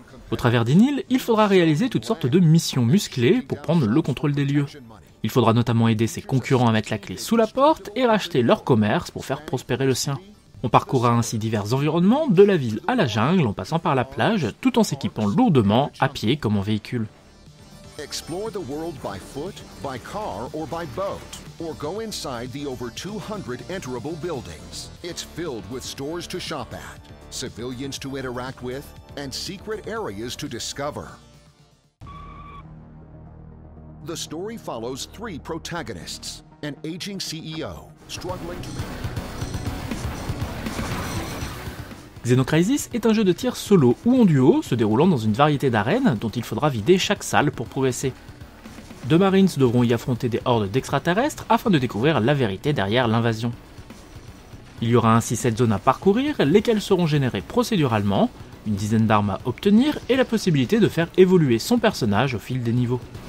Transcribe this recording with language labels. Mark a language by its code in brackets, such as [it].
[fr] Au travers d'une île, il faudra réaliser toutes sortes de missions musclées pour prendre le contrôle des lieux. Il faudra notamment aider ses concurrents à mettre la clé sous la porte et racheter leur commerce pour faire prospérer le sien. On parcourra ainsi divers environnements, de la ville à la jungle, en passant par la plage, tout en s'équipant lourdement, à pied comme en véhicule. [en] Explore the world by foot, by car or by boat, or go inside the over 200 enterable buildings. It's filled with stores to shop at, civilians to interact with, and secret areas to discover. The story follows three protagonists, an aging CEO struggling to... [fr] Xenocrisis est un jeu de tir solo ou en duo, se déroulant dans une variété d'arènes dont il faudra vider chaque salle pour progresser. Deux Marines devront y affronter des hordes d'extraterrestres afin de découvrir la vérité derrière l'invasion. Il y aura ainsi 7 zones à parcourir, lesquelles seront générées procéduralement, une dizaine d'armes à obtenir et la possibilité de faire évoluer son personnage au fil des niveaux.